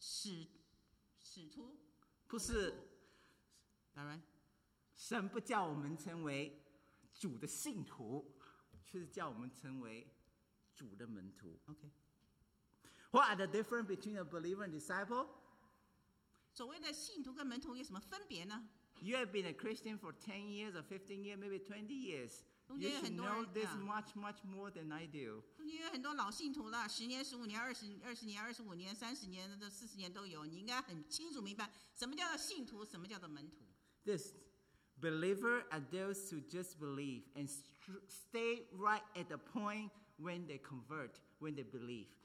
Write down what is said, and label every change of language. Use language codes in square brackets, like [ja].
[zh] 神让我们去做万民做我的门徒，不是让这个使徒。不是，神不叫我们成为主的信徒，却是叫我们成为主的门徒。 [en] Okay. What are the difference between a believer and disciple? [zh] 所谓的信徒跟门徒有什么分别呢？ [en] You have been a Christian for 10 years or 15 years, maybe 20 years. You should know this much, much more than I do. [zh] 因为很多老信徒了，十年、十五年、二十年、二十五年、三十年的、四十年都有，你应该很清楚明白什么叫做信徒，什么叫做门徒。 [en] This believer are those who just believe and stay right at the point when they convert, when they believe.